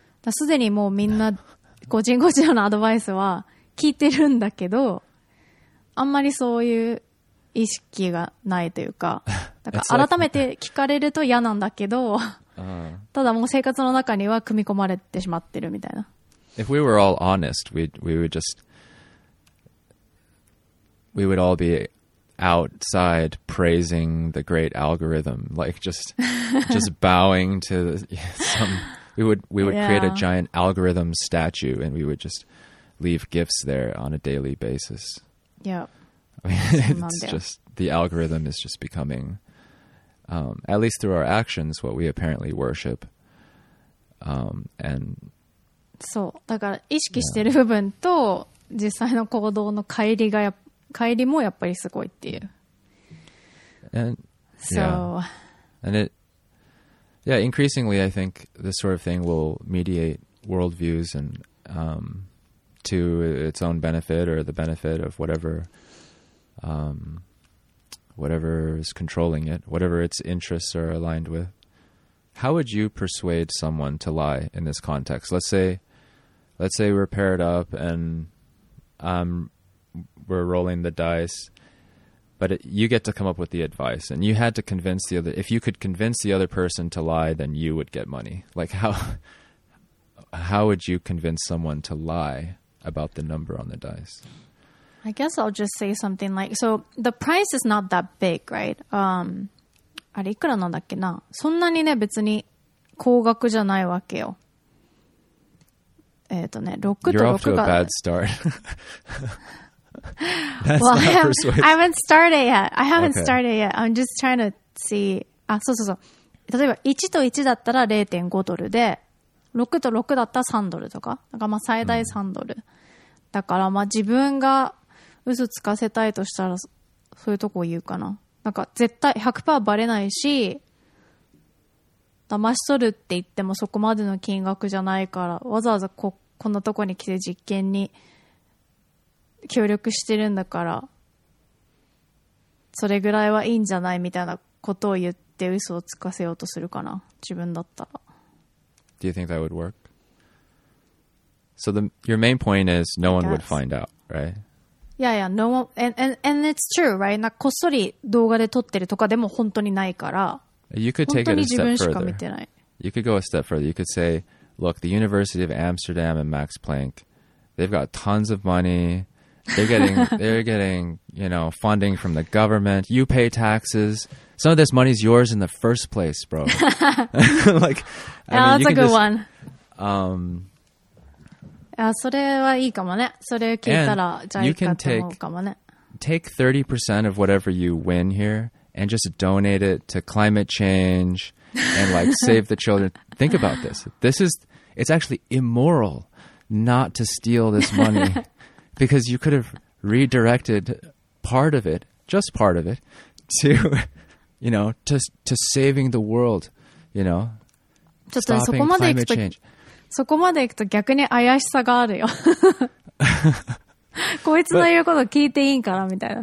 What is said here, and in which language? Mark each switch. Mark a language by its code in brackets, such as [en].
[ja] すでにもうみんな、個人個人のアドバイスは聞いてるんだけど、あんまりそういう、意識がないというか、だから改めて聞かれると嫌なんだけど、ただもう生活の中には組み込まれてしまってるみたいな。 [en] If we were all honest, we would all be outside praising the great algorithm, like just bowing to some. We would create a giant algorithm statue, and we would just leave gifts there on a daily basis. Yep. It's just the algorithm is just becoming, at least through our actions, what we apparently worship. And so, [ja] だから意識してる部分と実際の行動の乖離が乖離もやっぱりすごいっていう。 [en] And so, yeah. And it, yeah, increasingly, I think this sort of thing will mediate worldviews and to its own benefit or the benefit of whatever, whatever is controlling it, whatever its interests are aligned with. How would you persuade someone to lie in this context? Let's say we're paired up and we're rolling the dice, but you get to come up with the advice, and you had to convince the other. If you could convince the other person to lie, then you would get money. Like how would you convince someone to lie about the number on the dice? I guess I'll just say something like, so the price is not that big, right? [ja] あれいくらなんだっけな。そんなにね、別に高額じゃないわけよ。ね、6と6が。 [en] You're off to a bad start. That's well, not persuasive. I haven't started yet. I haven't started yet. I'm just trying to see. [ja] あ、そうそうそう。例えば1と1だったら 0.5 ドルで、6と6だったら3ドルとか。だからまあ最大3ドル。Mm. だからまあ自分が、嘘つかせたいとしたら そういうとこ言うかな。なんか絶対 100% バレないし、騙し取るって言ってもそこまでの金額じゃないから、わざわざ こんなとこに来て実験に協力してるんだから、それぐらいはいいんじゃないみたいなことを言って嘘をつかせようとするかな、自分だったら。 [en] Do you think that would work? So your main point is no one would find out, right? Yeah, yeah, no one, and it's true, right? [ja] なんかこっそり動画で撮ってるとかでも本当にないから。 [en] You could take it a step further. You could go a step further. You could say, look, the University of Amsterdam and Max Planck, they've got tons of money. They're getting, you know, funding from the government. You pay taxes. Some of this money's yours in the first place, bro. Like, I mean, that's a good one. [ja] それはいいかもね。それ聞いたらじゃあいいかって思うかもね。 [en] And you can take 30% of whatever you win here and just donate it to climate change and like save the children. Think about this. It's actually immoral not to steal this money because you could have redirected part of it, just part of it, to, you know, to saving the world, you know, stopping climate change. [ja] そこまで行くと逆に怪しさがあるよ。こいつの言うこと聞いていいんかなみたいな。